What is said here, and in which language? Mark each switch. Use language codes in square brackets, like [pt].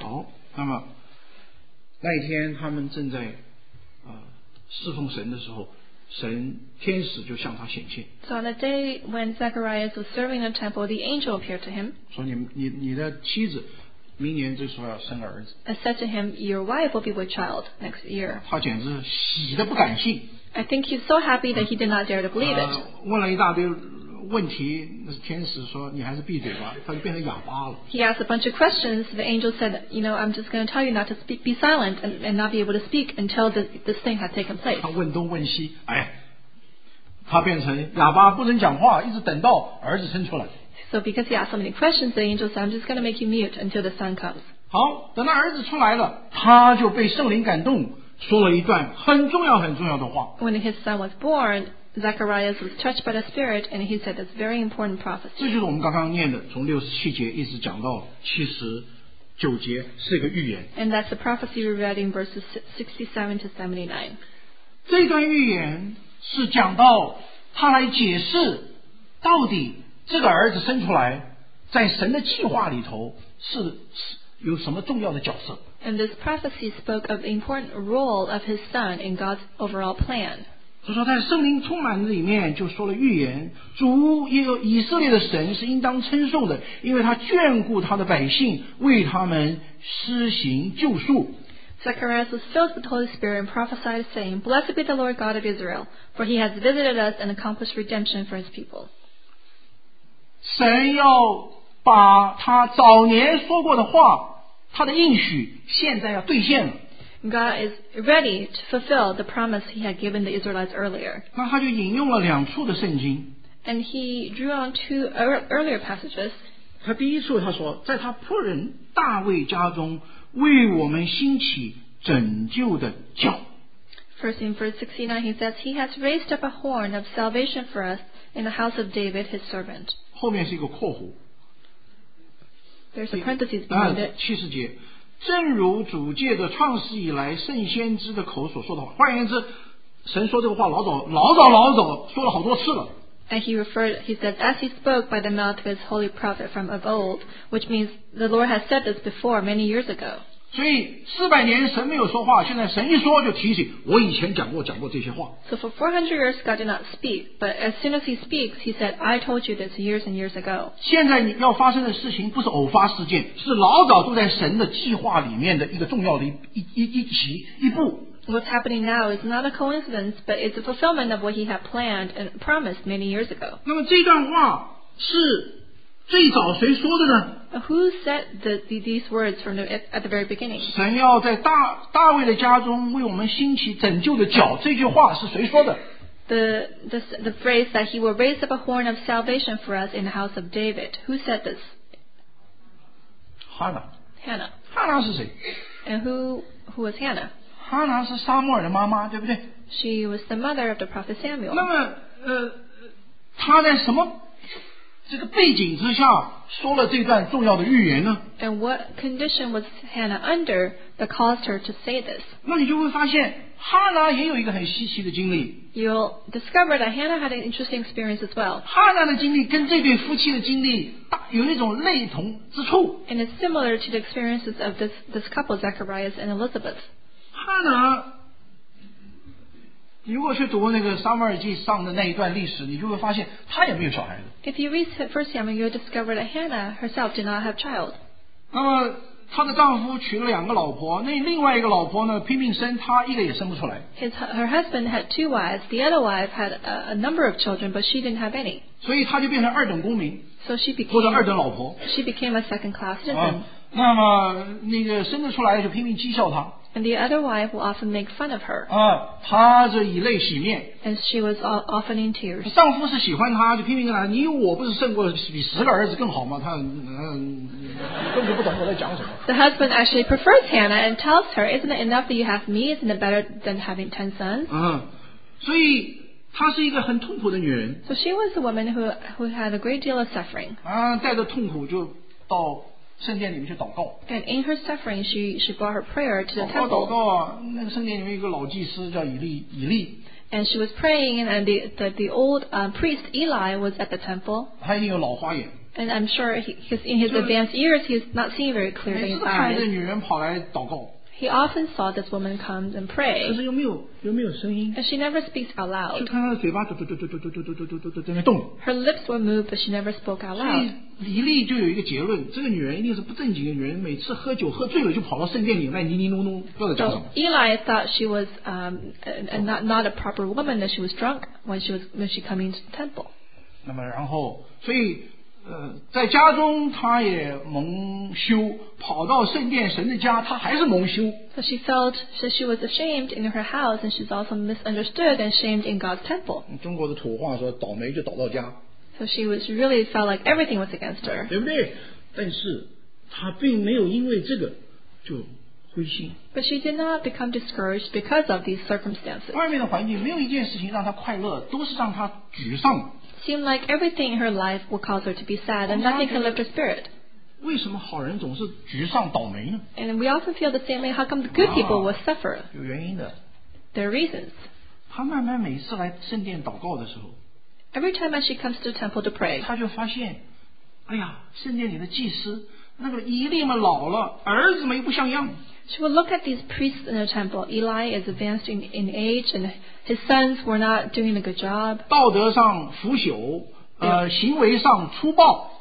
[zh] 好，那么那一天他们正在侍奉神的时候，神天使就向他显现。 [en] So on the day when Zacharias was serving in the temple, the angel appeared to him. [zh] 说你的妻子明年这时候要生儿子。 [en] And said to him, your wife will be with child next year. [zh] 他简直喜得不敢信。 [en] I think he's so happy that he did not dare to believe it. [zh] 问了一大堆问题，天使说你还是闭嘴吧，他就变成哑巴了。 [en] He asked a bunch of questions. The angel said, you know, I'm just going to tell you not to speak, be silent and not be able to speak until this thing has taken place. [zh] 他问东问西，哎，他变成哑巴，不能讲话，一直等到儿子生出来。 [en] So because he asked so many questions, the angel said, I'm just going to make you mute until the son comes. [zh] 好，等到儿子出来了，他就被圣灵感动，说了一段很重要很重要的话。 [en] When his son was born, Zacharias was touched by the Spirit, and he said this very important prophecy. [zh] 这就是我们刚刚念的，从67节一直讲到79节，是一个预言。 [en] And that's the prophecy we read in verses 67 to 79. [zh] 这段预言是讲到他来解释到底这个儿子生出来在神的计划里头是有什么重要的角色。 [en] And this prophecy spoke of the important role of his son in God's overall plan. [zh] 他说在圣灵充满里面就说了预言，主以色列的神是应当称颂的，因为他眷顾他的百姓，为他们施行救赎。 [en] Zacharias was filled with the Holy Spirit and prophesied saying, Blessed be the Lord God of Israel, for he has visited us and accomplished redemption for his people. [zh] 神要把他早年说过的话他的应许现在要兑现了。 [en] God is ready to fulfill the promise he had given the Israelites earlier. [zh] 那他就引用了两处的圣经。 [en] And he drew on two earlier passages. [zh] 他第一处他说，在他仆人大卫家中为我们兴起拯救的教。 [en] First in verse 69, he says, He has raised up a horn of salvation for us in the house of David, his servant. [zh] 后面是一个括弧。 [en] There's a parenthesis behind it. [zh] 七十节，正如主界的创始以来圣先知的口所说的话。换言之，神说这个话老早说了好多次了。 [en] And he says, as he spoke by the mouth of his holy prophet from of old, which means the Lord has said this before many years ago. [zh] 所以四百年神没有说话，现在神一说就提醒我以前讲过这些话。 [en] So for 400 years God did not speak, but as soon as he speaks, he said, I told you this years and years ago. [zh] 现在要发生的事情不是偶发事件，是老早都在神的计划里面的一个重要的一步。 [en] What's happening now is not a coincidence, but it's a fulfillment of what he had planned and promised many years ago. [zh] 那么这段话是最早谁说的呢？ [en] Who said these words from at the very beginning? [zh] 神要在大卫的家中为我们兴起拯救的脚，这句话是谁说的？ [en] The phrase that he will raise up a horn of salvation for us in the house of David. Who said this? [zh] Hannah. Hannah 是谁？ [en] And who was Hannah? [zh] Hannah 是撒母耳的妈妈，对不对？ [en] She was the mother of the prophet Samuel. [zh] 那么她在什么这个背景之下说了这段重要的预言呢？ [en] And what condition was Hannah under that caused her to say this? [zh] 那你就会发现哈拿也有一个很稀奇的经历。 [en] You'll discover that Hannah had an interesting experience as well. [zh] 哈拿的经历跟这对夫妻的经历有一种类同之处。 [en] And it's similar to the experiences of this couple, Zacharias and Elizabeth. [zh] 哈拿如果去读那个撒母耳记上的那一段历史，你就会发现她也没有小孩子。 [en] If you read First Samuel, you'll discover that Hannah herself did not have child. [zh] 那么她的丈夫娶了两个老婆，那另外一个老婆呢拼命生，她一个也生不出来。 [en] Her husband had two wives. The other wife had a number of children, but she didn't have any. [zh] 所以她就变成二等公民。 [en] So she became [zh] 或者二等老婆。 [en] She became a second class citizen. [zh] 那么那个生得出来就拼命讥笑她。 [en] And the other wife will often make fun of her. [zh] 她是以泪洗面。 [en] And she was often in tears. [zh] 丈夫是喜欢她，就拼命跟她，你我不是胜过比十个儿子更好吗？她根本不懂我在讲什么。 [en] The husband actually prefers Hannah and tells her, "Isn't it enough that you have me? Isn't it better than having 10 sons?" [zh] 所以她是一个很痛苦的女人。 [en] So she was a woman who had a great deal of suffering. [zh] 带着痛苦就到圣殿里面去祷告。 [en] And in her suffering, she brought her prayer to the temple. [zh] 祷告祷告，那个圣殿里面有一个老祭司叫以利。 [en] And she was praying, and the old priest Eli was at the temple. [zh] 他一定有老花眼。 [en] And I'm sure in his advanced years, he's not seeing very clearly. [zh] 每次看这女人跑来祷告。 [en] He often saw this woman come and pray. [zh] 可是又没有声音。 [en] And she never speaks out loud. [zh] 就看她的嘴巴嘟嘟嘟嘟嘟嘟嘟嘟嘟嘟嘟嘟在那动。 [en] Her lips were moved, but she never spoke out loud. [zh] 所以以利就有一个结论，这个女人一定是不正经的女人，每次喝酒喝醉了就跑到圣殿里面泥泥弄弄，不知道讲什么。 [en] Eli thought she was not a proper woman, that she was drunk when she came into the temple. [zh] 那么然后，所以在家中他也蒙羞，跑到圣殿神的家他还是蒙羞。 [en] So she felt that she was ashamed in her house, and she's also misunderstood and shamed in God's temple. [zh] 中国的土话说倒霉就倒到家。 [en] So she was really felt like everything was against her. [zh] 对不对？但是他并没有因为这个就灰心。 [en] But she did not become discouraged because of these circumstances. [zh] 外面的环境没有一件事情让他快乐，都是让他沮丧。 [en] Seemed like everything in her life would cause her to be sad, and nothing can lift her spirit. [zh] 为什么好人总是沮丧倒霉呢？ [en] And we often feel the same way. How come the good people would suffer? [zh] 有原因的。 [en] There are reasons. [zh] 她慢慢每次来圣殿祷告的时候， [en] Every time as she comes to the temple to pray, [zh] 她就发现，哎呀，圣殿里的祭司那个以利嘛老了，儿子嘛又不像样。 [en] She would look at these priests in the temple. Eli is advanced in age, and his sons were not doing a good job. [zh] 道德上腐朽，行为上粗暴。